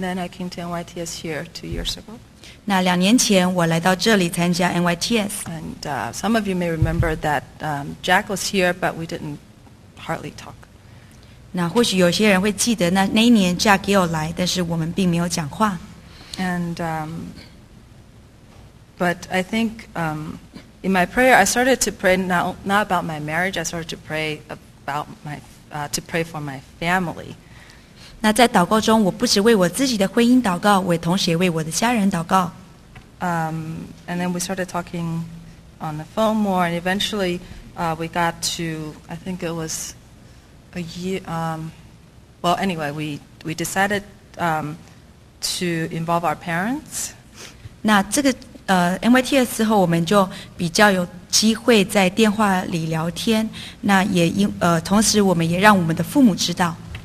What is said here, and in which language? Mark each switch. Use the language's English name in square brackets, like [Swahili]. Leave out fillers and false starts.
[English] And then I came to NYTS here 2 years ago. [Chinese] 那两年前我来到这里参加NYTS。 [English] And some of you may remember that Jack was here, but we didn't hardly talk. [Chinese] 那或许有些人会记得那一年Jack也有来，但是我们并没有讲话。 [English] And but I think in my prayer, I started to pray not about my marriage, I started to pray about my to pray for my family. [Chinese] 那在祷告中，我不只为我自己的婚姻祷告，我同时也为我的家人祷告。 [English] And then we started talking on the phone more, and eventually we got to, I think it was a year, well, anyway, we decided to involve our parents. [Chinese] 那这个 NYTS之后 我们就比较有机会在电话里聊天 那也同时我们也让我们的父母知道